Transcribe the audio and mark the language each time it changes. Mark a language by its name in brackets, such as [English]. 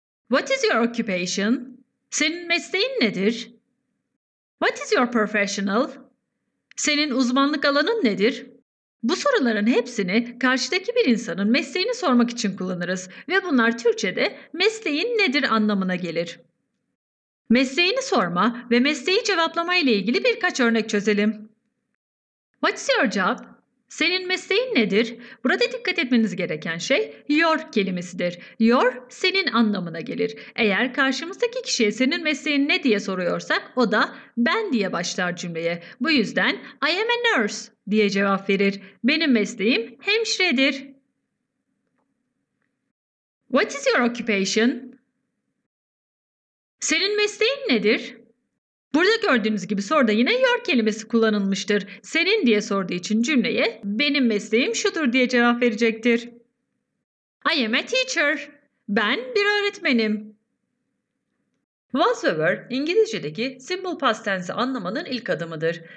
[English] What is your occupation? [Turkish] Senin mesleğin nedir? [English] What is your professional? [Turkish] Senin uzmanlık alanın nedir? Bu soruların hepsini karşıdaki bir insanın mesleğini sormak için kullanırız ve bunlar Türkçe'de mesleğin nedir anlamına gelir. Mesleğini sorma ve mesleği cevaplama ile ilgili birkaç örnek çözelim. [English] What's your job? [Turkish] Senin mesleğin nedir? Burada dikkat etmeniz gereken şey your kelimesidir. Your senin anlamına gelir. Eğer karşımızdaki kişiye senin mesleğin ne diye soruyorsak o da ben diye başlar cümleye. Bu yüzden [English] I am a nurse [Turkish] diye cevap verir. Benim mesleğim hemşiredir. [English] What is your occupation? [Turkish] Senin mesleğin nedir? Burada gördüğünüz gibi soruda yine your kelimesi kullanılmıştır. Senin diye sorduğu için cümleye benim mesleğim şudur diye cevap verecektir. [English] I am a teacher. [Turkish] Ben bir öğretmenim. Was over İngilizce'deki simple past tense'i anlamanın ilk adımıdır.